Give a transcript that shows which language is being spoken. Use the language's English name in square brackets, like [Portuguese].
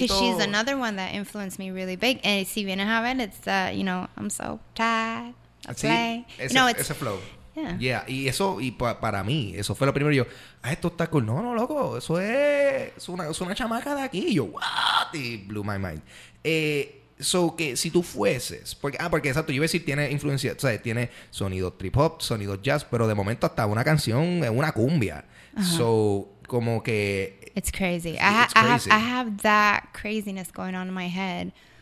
[English] Because she's another one that influenced me really big. And [Spanish] si vienes a ver, [English] it's, you know, I'm so tired. [Spanish] Sí, ese, no, ese flow. Yeah. Yeah. Y eso, y para mí, eso fue lo primero. Yo, ah, esto está cool. No, no, loco, eso es una chamaca de aquí. Y yo, [English] what? [Spanish] Y [English] blew my mind. [Spanish] So, que si tú fueses, porque, porque exacto, yo iba a decir, tiene influencia, o sea, tiene sonido trip hop, sonido jazz, pero de momento hasta una canción es una cumbia. Uh-huh. So, como que. [English] It's crazy. I have that craziness going on in my head.